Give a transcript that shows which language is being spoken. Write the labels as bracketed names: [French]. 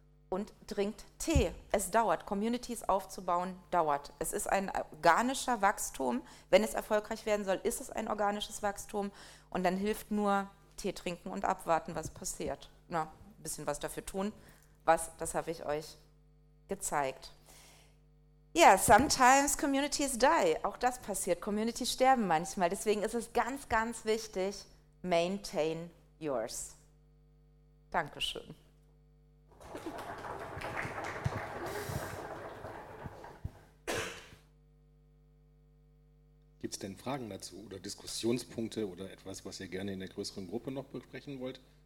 [German] Und trinkt Tee. Es dauert. Communities aufzubauen dauert. Es ist ein organischer Wachstum. Wenn es erfolgreich werden soll, ist es ein organisches Wachstum. Und dann hilft nur Tee trinken und abwarten, was passiert. Na, ein bisschen was dafür tun. Was, das habe ich euch gezeigt. [English] Ja, yeah, sometimes communities die. [German] Auch das passiert. Communities sterben manchmal. Deswegen ist es ganz, ganz wichtig, [English] maintain yours. [German] Dankeschön. Gibt es denn Fragen dazu oder Diskussionspunkte oder etwas, was ihr gerne in der größeren Gruppe noch besprechen wollt?